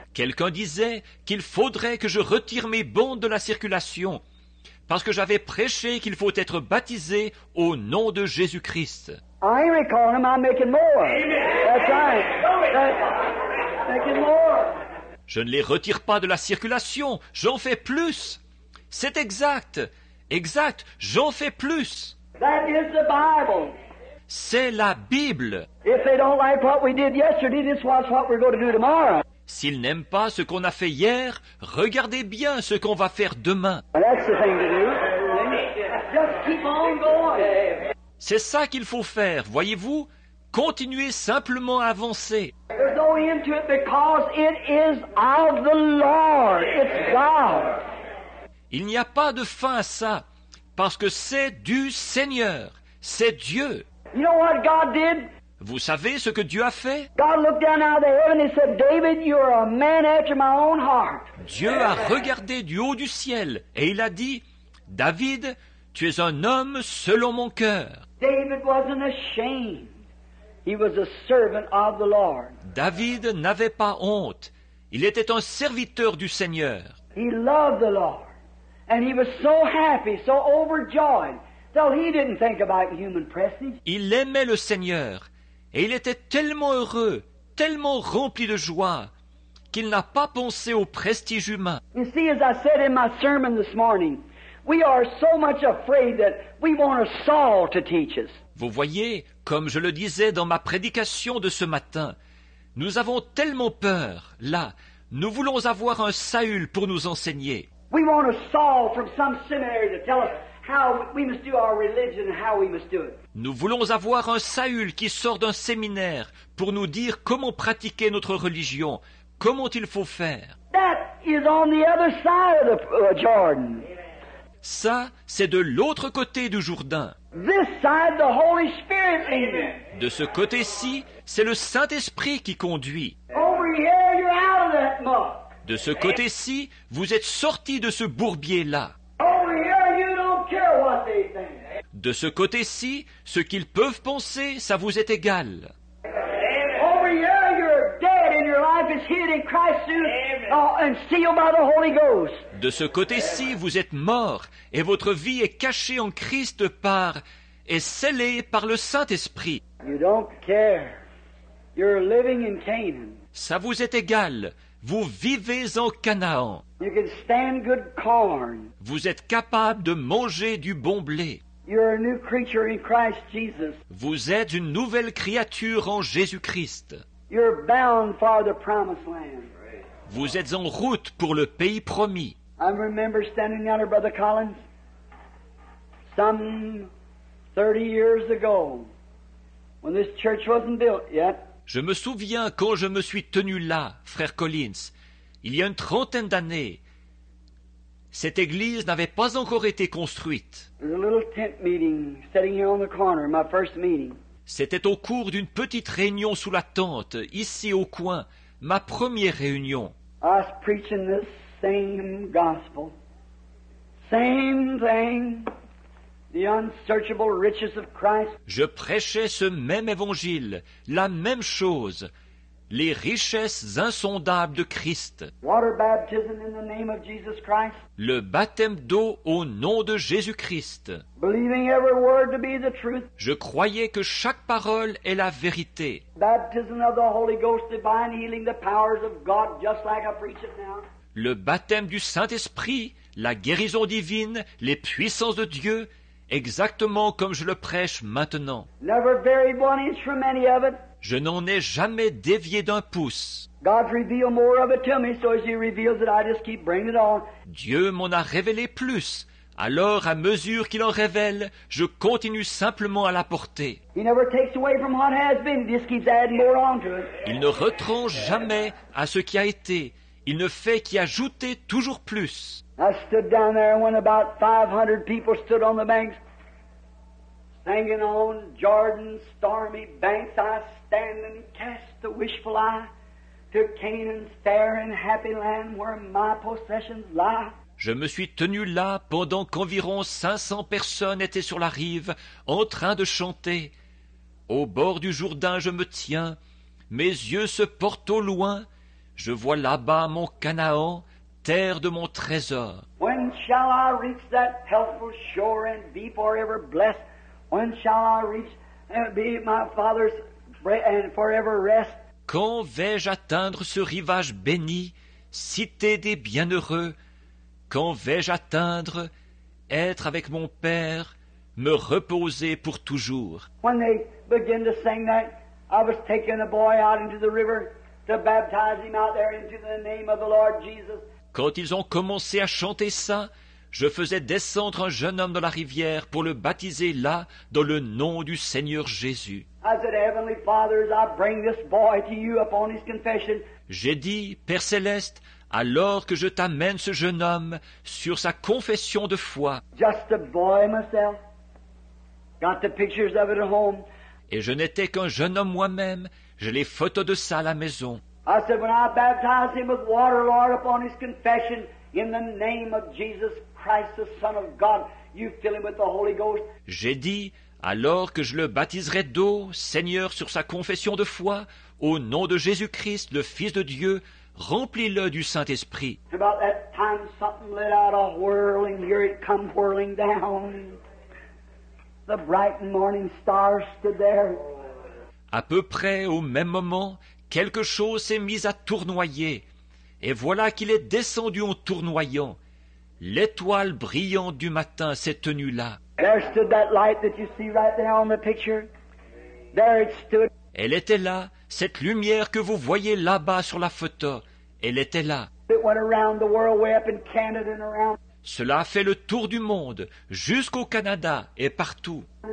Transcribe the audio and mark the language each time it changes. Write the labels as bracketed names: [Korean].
[French] Quelqu'un disait qu'il faudrait que je retire mes bons de la circulation parce que j'avais prêché qu'il faut être baptisé au nom de Jésus-Christ. [English] I ain't recalling them, I'm making more. Amen. That's right. Amen. Making more. [French] Je ne les retire pas de la circulation, j'en fais plus. C'est exact. Exact, j'en fais plus. [English] That is the Bible. [French] C'est la Bible. [English] If they don't like what we did yesterday, this was what we're going to do tomorrow. [French] S'ils n'aiment pas ce qu'on a fait hier, regardez bien ce qu'on va faire demain. [English] Well, that's the thing to do. Just keep on going. [French] C'est ça qu'il faut faire, voyez-vous? Continuez simplement à avancer. [English] There's no end to it because it is of the Lord. It's God. [French] Il n'y a pas de fin à ça, parce que c'est du Seigneur, c'est Dieu. [English] You know what God did? [French] Vous savez ce que Dieu a fait? [English] God looked down out of the heaven and said, David, you are a man after my own heart. [French] Dieu a regardé du haut du ciel et il a dit, David, tu es un homme selon mon cœur. [English] David wasn't ashamed. He was a servant of the Lord. [French] David n'avait pas honte. Il était un serviteur du Seigneur. [English] He loved the Lord. And he was so happy, so overjoyed, though he didn't think about human prestige. [French] Il aimait le Seigneur, et il était tellement heureux, tellement rempli de joie, qu'il n'a pas pensé au prestige humain. [English] You see, as I said in my sermon this morning, we are so much afraid that we want a Saul to teach us. [French] Vous voyez, comme je le disais dans ma prédication de ce matin, nous avons tellement peur, là, nous voulons avoir un Saül pour nous enseigner. [English] We want a Saul from some seminary to tell us how we must do our religion and how we must do it. [French] Nous voulons avoir un Saül qui sort d'un séminaire pour nous dire comment pratiquer notre religion, comment il faut faire. [English] That is on the other side of the Jordan. [French] Ça, c'est de l'autre côté du Jourdain. [English] This side, the Holy Spirit leads. [French] De ce côté-ci, c'est le Saint-Esprit qui conduit. [English] Over here, you're out of that muck. [French] De ce côté-ci, vous êtes sorti de ce bourbier-là. [English] Over here, you don't care what they think. [French] De ce côté-ci, ce qu'ils peuvent penser, ça vous est égal. [English] Over here, you're dead and your life is hidden in Christ and sealed by the Holy Ghost. [French] De ce côté-ci, vous êtes mort et votre vie est cachée en Christ par et scellée par le Saint-Esprit. [English] You don't care. You're living in Canaan. [French] Ça vous est égal. Vous vivez en Canaan. [English] You can stand good corn. [French] Vous êtes capable de manger du bon blé. [English] You're a new creature in Christ Jesus. [French] Vous êtes une nouvelle créature en Jésus-Christ. [English] You're bound for the promised land. [French] Vous êtes en route pour le pays promis. [English] I remember standing under Brother Collins some 30 years ago when this church wasn't built yet. [French] Je me souviens quand je me suis tenu là, frère Collins, il y a une trentaine d'années. Cette église n'avait pas encore été construite. [English] There's a little tent meeting sitting here on the corner, my first meeting. [French] C'était au cours d'une petite réunion sous la tente, ici au coin, ma première réunion. [English] I was preaching this same gospel, same thing, the unsearchable riches of Christ. [French] Je prêchais ce même évangile, la même chose, les richesses insondables de Christ. [English] Water baptism in the name of Jesus Christ. [French] Le baptême d'eau au nom de Jésus-Christ. [English] Believing every word to be the truth. [French] Je croyais que chaque parole est la vérité. [English] Baptism of the Holy Ghost, divine healing, the powers of God, just like I preach it now. [French] Le baptême du Saint-Esprit, la guérison divine, les puissances de Dieu. Exactement comme je le prêche maintenant. [English] Never varied one inch from any of it. [French] Je n'en ai jamais dévié d'un pouce. [English] God's revealed more of it to me, so as he reveals it, I just keep bringing it on. [French] Dieu m'en a révélé plus. Alors, à mesure qu'il en révèle, je continue simplement à l'apporter. [English] He never takes away from what has been, he just keeps adding more on to it. [French] Il ne retranche jamais à ce qui a été. Il ne fait qu'ajouter toujours plus. [English] I stood down there when about 500 people stood on the banks, singing on Jordan's stormy banks. I stand and cast the wishful eye to Canaan's fair and happy land where my possessions lie. [French] Je me suis tenu là pendant qu'environ 500 personnes étaient sur la rive en train de chanter. Au bord du Jourdain, je me tiens, mes yeux se portent au loin. Je vois là-bas mon Canaan, terre de mon trésor. [English] When shall I reach that healthful shore and be forever blessed? When shall I reach and be my father's and forever rest? [French] Quand vais-je atteindre ce rivage béni, cité des bienheureux? Quand vais-je atteindre, être avec mon Père, me reposer pour toujours? [English] When they begin to sing that, I was taking a boy out into the river to baptize him out there into the name of the Lord Jesus. [French] Quand ils ont commencé à chanter ça, je faisais descendre un jeune homme dans la rivière pour le baptiser là, dans le nom du Seigneur Jésus. [English] I said, Heavenly Father, I bring this boy to you upon his confession. [French] J'ai dit, Père Céleste, alors que je t'amène ce jeune homme sur sa confession de foi. [English] Just a boy myself. Got the pictures of it at home. [French] Et je n'étais qu'un jeune homme moi-même, j'ai les photos de ça à la maison. [English] I said, when I baptize him with water, Lord, upon his confession, in the name of Jesus Christ, the Son of God, you fill him with the Holy Ghost. [French] J'ai dit, alors que je le baptiserai d'eau, Seigneur, sur sa confession de foi, au nom de Jésus-Christ, le Fils de Dieu, remplis-le du Saint-Esprit. [English] About that time, something let out a whirling, here it come whirling down. The bright morning star stood there. [French] À peu près au même moment, quelque chose s'est mis à tournoyer, et voilà qu'il est descendu en tournoyant. L'étoile brillante du matin s'est tenue là. [English] There stood that light that you see right there on the picture. There it stood. [French] Elle était là, cette lumière que vous voyez là-bas sur la photo. Elle était là. [English] It went around the world, way up in Canada and around. [French] Cela a fait le tour du monde, jusqu'au Canada et partout.